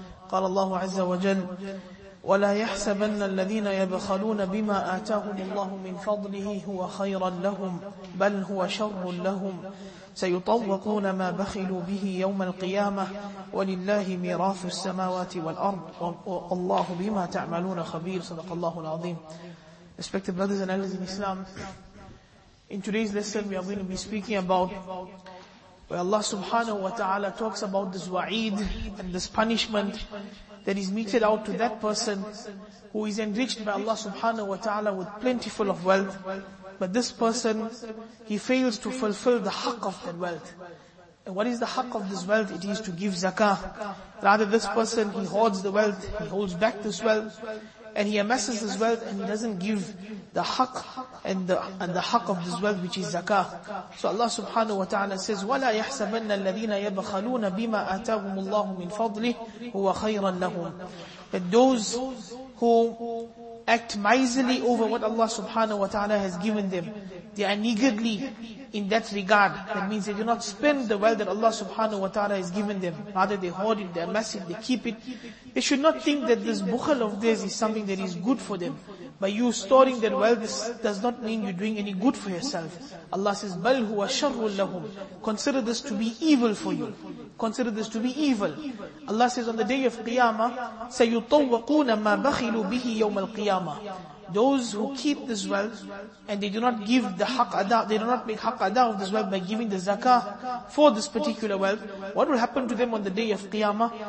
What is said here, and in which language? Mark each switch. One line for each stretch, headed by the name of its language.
Arabic: قال الله عز وجل: ولا يحسبن الذين يبخلون بما آتاهم الله من فضله هو خيرا لهم بل هو شر لهم سيطوقون ما بخلوا به يوم القيامة ولله ميراث السماوات والأرض والله بما تعملون خبير. صدق الله العظيم.
English: Respected brothers and elders in Islam, in today's lesson we are going to be speaking about where Allah subhanahu wa ta'ala talks about this wa'id and this punishment that is meted out to that person who is enriched by Allah subhanahu wa ta'ala with plentiful of wealth. But this person, he fails to fulfill the haqq of that wealth. And what is the haqq of this wealth? It is to give zakah. Rather, this person, he hoards the wealth, he holds back this wealth, and he amasses his wealth, and he doesn't give the haqq and the haqq of this wealth, which is zakah. So Allah subhanahu wa ta'ala says,
Arabic: وَلَا يَحْسَبَنَّ الَّذِينَ يَبْخَلُونَ بِمَا آتَاهُمُ اللَّهُ مِنْ فَضْلِهِ هُوَ خَيْرًا لَهُمْ.
English: That those who act miserly over what Allah subhanahu wa ta'ala has given them, they are niggardly in that regard. That means they do not spend the wealth that Allah subhanahu wa ta'ala has given them. Rather, they hoard it, they amass it, they keep it. They should not think that this bukhal of theirs is something that is good for them. By you storing that wealth, this does not mean you're doing any good for yourself. Allah says,
Arabic: بَلْ هُوَ شَرٌّ لَهُمْ.
English: Consider this to be evil for you. Consider this to be evil. Allah says on the day of Qiyamah,
Arabic: سَيُطَوَّقُونَ مَا بَخِلُوا بِهِ يَوْمَ الْقِيَامَةِ.
English: Those who keep this wealth and they do not give the haqq ada, they do not make haqq ada of this wealth by giving the zakah for this particular wealth, what will happen to them on the day of Qiyamah?